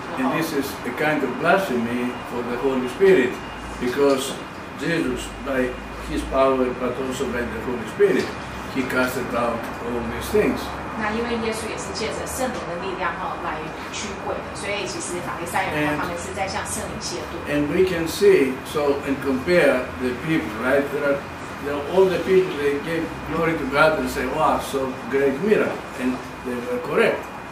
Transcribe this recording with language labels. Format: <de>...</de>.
<en>And this is a kind of blasphemy for the Holy Spirit, because Jesus, by His power, but also by the Holy Spirit. He casted out all these things.</en> <zh>那因为耶稣也是借着圣灵的力量来驱鬼的，所以其实法利赛人他们是在向圣灵亵渎。</zh> <en>And we can see so and compare the people, right? There are all the people they gave glory to God and say, "Wow, so great miracle," and they were correct.</en>